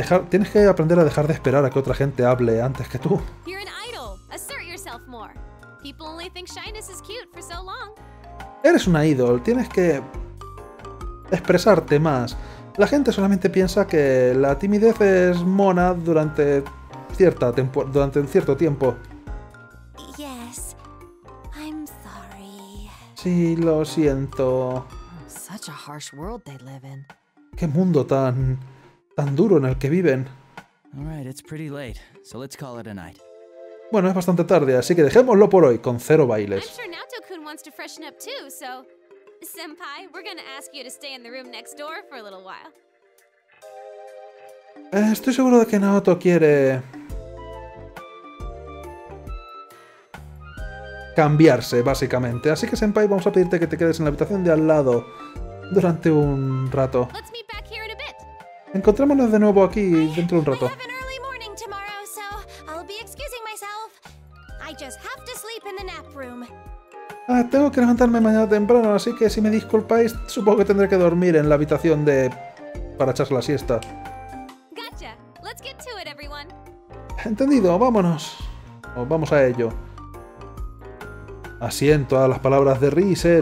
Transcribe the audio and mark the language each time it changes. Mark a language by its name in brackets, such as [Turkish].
[Spanish] Tienes que aprender a dejar de esperar a que otra gente hable antes que tú. [English] You're an idol. Assert yourself more. People only think shyness is cute for so long. [Spanish] Eres una idol. Tienes que expresarte más. La gente solamente piensa que la timidez es mona durante cierto tiempo. [English] Yes, I'm sorry. [Spanish] Sí, lo siento. [English] Such a harsh world they live in. [Spanish] Qué mundo tan duro en el que viven. [English] All right, it's pretty late, so let's call it a night. [Spanish] Bueno, es bastante tarde, así que dejémoslo por hoy con cero bailes. [English] I'm sure Naoto-kun wants to freshen up too, so Senpai, we're gonna ask you to stay in the room next door for a little while. [Spanish] Estoy seguro de que Naoto quiere cambiarse, básicamente. Así que, Senpai, vamos a pedirte que te quedes en la habitación de al lado durante un rato. [English] Let's meet back here in a bit. [Spanish] Encontrémonos de nuevo aquí dentro de un rato. [English] I have an early morning tomorrow, so I'll be excusing myself. I just have to sleep in the nap room. [Spanish] Tengo que levantarme mañana temprano, así que si me disculpáis, supongo que tendré que dormir en la habitación de para echarse la siesta. [English] Gotcha. Let's get to it, everyone. [Spanish] Entendido, vámonos. Vamos a ello. Asiento a las palabras de Riz, ¿eh?